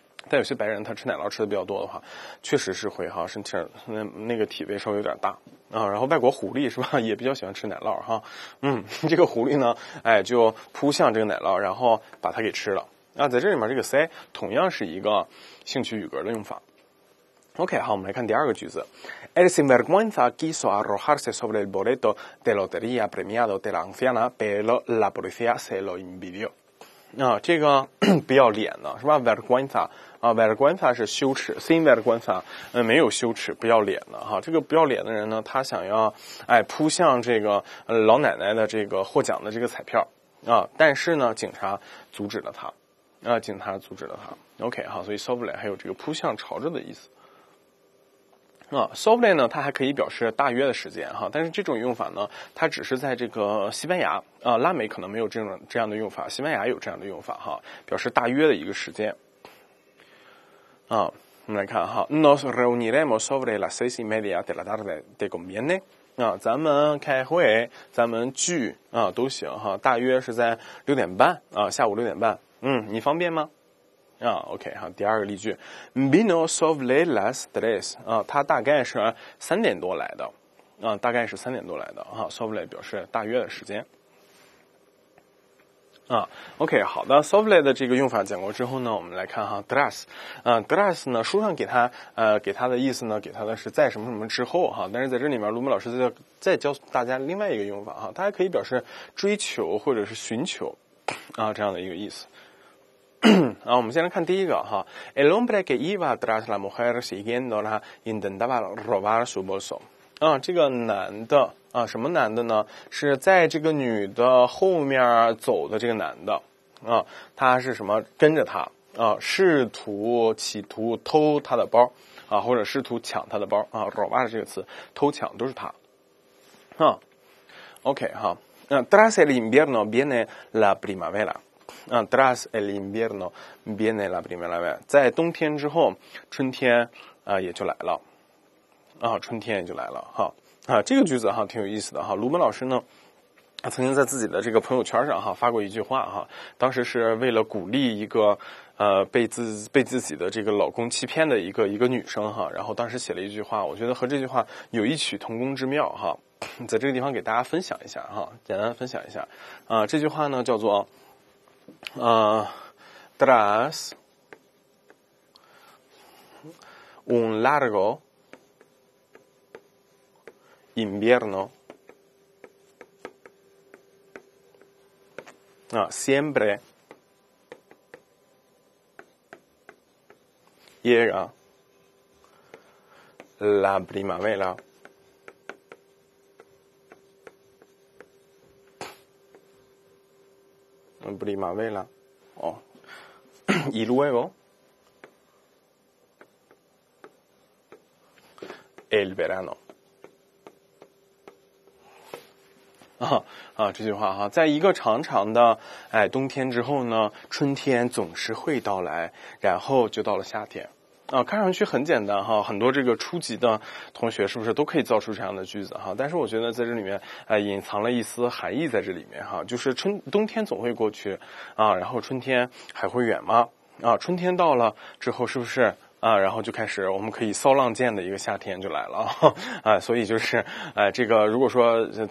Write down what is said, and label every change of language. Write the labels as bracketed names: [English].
[Chinese] 但有些白人他吃奶酪吃的比较多的话，确实是会哈身体那个体味稍微有点大啊。然后外国狐狸是吧，也比较喜欢吃奶酪哈。这个狐狸呢，哎，就扑向这个奶酪，然后把它给吃了。那在这里面这个 say 同样是一个兴趣语格的用法。 OK, 好，我们来看第二个句子。 [Spanish] El sinvergüenza quiso arrojarse sobre el boleto de lotería premiado de la anciana, pero la policía se lo impidió. [Chinese] 这个不要脸的是吧 ?vergüenza, vergüenza 是羞耻 ,sinvergüenza, 没有羞耻不要脸的哈。这个不要脸的人呢他想要扑向这个老奶奶的这个获奖的这个彩票。但是呢警察阻止了他。警察阻止了他。 OK, 好，所以 sobre 还有这个扑向朝着的意思。sobre 呢它还可以表示大约的时间哈，但是这种用法呢它只是在这个西班牙拉美可能没有这样的用法，西班牙有这样的用法哈，表示大约的一个时间。我们来看哈， [Spanish] nos reuniremos sobre las 6:30 de la tarde de conviene, [Chinese] 咱们开会咱们聚都行哈，大约是在6:30下午6:30，你方便吗？ OK, 好，第二个例句。 [Spanish] Vino sobre las tres, [Chinese] 他大概是3:00来的。大概是3:00来的。 sobre 表示大约的时间。 OK, 好的， sobre 的这个用法讲过之后呢我们来看哈 tres。 tres 呢书上给他的意思呢给他的是在什么什么之后哈，但是在这里面卢米老师再教大家另外一个用法哈，他还可以表示追求或者是寻求这样的一个意思。我们先来看第一个哈。 [Spanish] El hombre que iba tras la mujer siguiéndola intentaba robar su bolso. [Chinese] 这个男的什么男的呢，是在这个女的后面走的这个男的。他是什么跟着他企图偷他的包或者试图抢他的包robar 这个词偷抢都是他。 OK, 哈。 [Spanish] Tras el invierno viene la primavera. Tras el invierno viene la primavera, [Chinese] 在冬天之后春天也就来了。春天也就来了哈。这个句子哈挺有意思的哈，卢门老师呢曾经在自己的这个朋友圈上哈发过一句话哈，当时是为了鼓励一个被自己的这个老公欺骗的一个女生哈，然后当时写了一句话，我觉得和这句话有异曲同工之妙哈，在这个地方给大家分享一下哈，简单分享一下。这句话呢叫做 [Spanish] tras un largo invierno, siempre llega la primavera. Primavera, y luego el verano. [Chinese] 这句话哈，在一个长长的冬天之后呢，春天总是会到来，然后就到了夏天。看上去很简单哈，很多这个初级的同学是不是都可以造出这样的句子哈，但是我觉得在这里面隐藏了一丝含义在这里面哈，就是冬天总会过去然后春天还会远吗春天到了之后是不是然后就开始我们可以骚浪剑的一个夏天就来了所以就是这个如果说